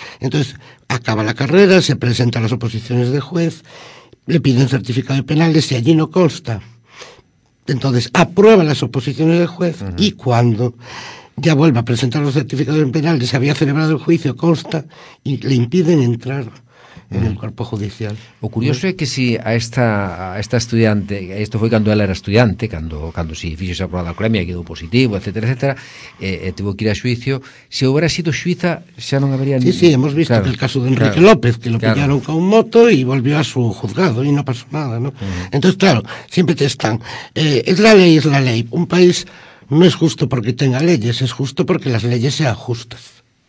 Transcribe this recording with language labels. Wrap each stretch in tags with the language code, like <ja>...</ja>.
<es>Entonces acaba la carrera, se presenta a las oposiciones de juez, le piden certificado de penales y allí no consta. Entonces aprueba las oposiciones de juez y cuando ya vuelve a presentar los certificados en penal, se había celebrado el juicio, consta, y le impiden entrar en el cuerpo judicial.</es> <gl>O curioso é que si a esta estudiante, esto foi cando ela era estudiante, cando si fixo esa prueba de alcoholemia, quedou positivo, etcétera, tivo que ir a xuicio, se houbera sido xuiza, xa non habería...</gl> <es>Sí, hemos visto que el caso de Enrique López, que lo pillaron con moto e volvió a su juzgado</es> <gl>e non</gl> <es>pasó nada, ¿no? Entonces, claro, siempre te están... Es la ley. Un país... No es justo porque tenga leyes, es justo porque las leyes sean justas.</es>